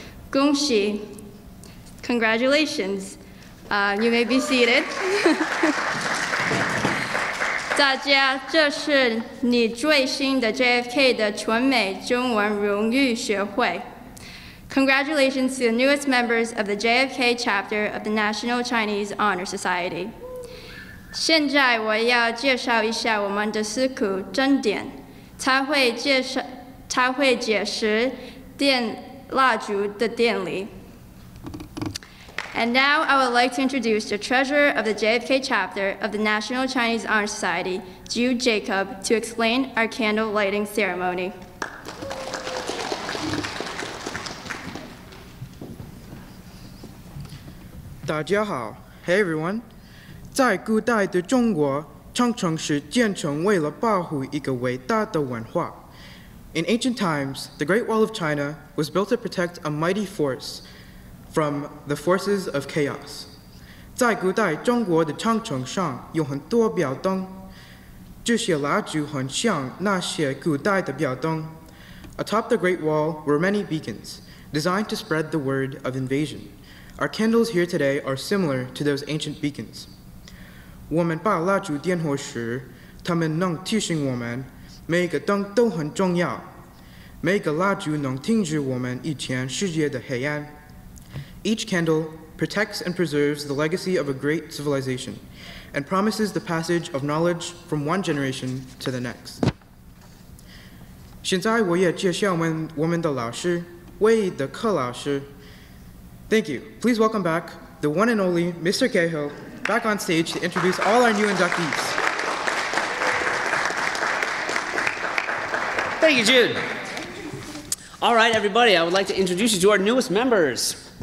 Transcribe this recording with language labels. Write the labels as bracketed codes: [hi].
[zh] 恭喜。 [en] Congratulations. You may be seated. [zh] 大家，这是你最新的 JFK 的全美中文荣誉学会。 [en] Congratulations to the newest members of the JFK chapter of the National Chinese Honor Society. [zh] 现在我要介绍一下我们的司库真典，他会解释电蜡烛的典礼。 [en] And now I would like to introduce the treasurer of the JFK chapter of the National Chinese Honor Society, Jiu Jacob, to explain our candle lighting ceremony. [zh] 大家好 ， [en] Hey everyone， [zh] 在古代的中国，长城是建成为了保护一个伟大的文化。 [en] In ancient times, the Great Wall of China was built to protect a mighty force from the forces of chaos. [zh] 在古代中国的长城上有很多标灯，这些蜡烛很像那些古代的标灯。 [en] Atop the Great Wall were many beacons, designed to spread the word of invasion. Our candles here today are similar to those ancient beacons. [zh] 我们把蜡烛点火时，他们能提醒我们每个灯都很重要，每个蜡烛能停止我们以前世界的黑暗。 [en] Each candle protects and preserves the legacy of a great civilization and promises the passage of knowledge from one generation to the next. [zh] 现在我也介绍我们的老师，韦的克老师。 [en] Thank you. Please welcome back the one and only Mr. Cahill back on stage to introduce all our new inductees. Thank you, Jude. All right, everybody, I would like to introduce you to our newest members.